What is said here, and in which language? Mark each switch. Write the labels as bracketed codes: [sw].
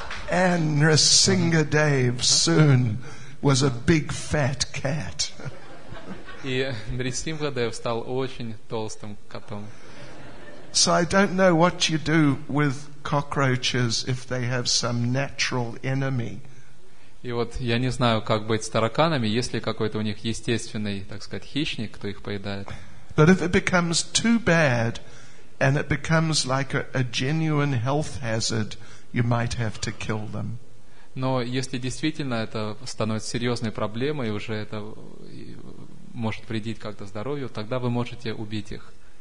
[en] And Nrisinga Dave soon was a big fat cat. [ru] И Нрисинга Дэйв стал очень толстым котом. [en] So I don't know what you do with cockroaches if they have some natural enemy. [ru] И вот я не знаю, как быть с тараканами, если какой-то у них естественный, так сказать, хищник, кто их поедает. [en] But if it becomes too bad and it becomes like a genuine health hazard, you might have to kill them. [ru] Но если действительно это становится серьезной проблемой, уже это может вредить как-то здоровью, тогда вы можете убить их.